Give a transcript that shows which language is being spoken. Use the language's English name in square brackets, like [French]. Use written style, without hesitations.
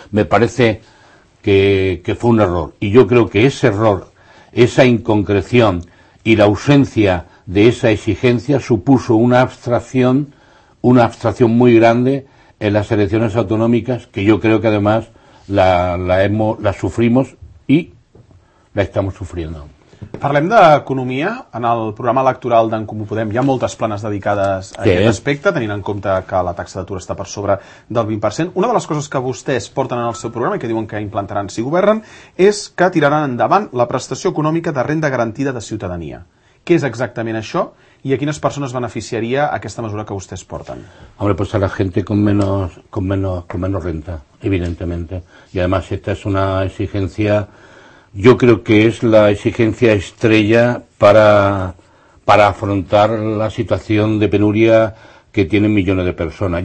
[Spanish] Me parece que fue un error. Y yo creo que ese error, esa inconcreción y la ausencia de esa exigencia supuso una abstracción muy grande en las elecciones autonómicas, que yo creo que además la sufrimos y la estamos sufriendo. [Catalan] Parlem d'economia. En el programa electoral d'En Comú Podem hi ha moltes planes dedicades a aquest aspecte, tenint en compte que la taxa d'atur està per sobre del 20%. Una de les coses que vostès porten en el seu programa i que diuen que implantaran si governen és que tiraran endavant la prestació econòmica de renda garantida de ciutadania. Què és exactament això i a quines persones beneficiaria aquesta mesura que vostès porten? [Spanish] Hombre, pues a la gente con menos renta, evidentemente. Y además esta es una exigencia... Yo creo que es la exigencia estrella para afrontar la situación de penuria que tienen millones de personas.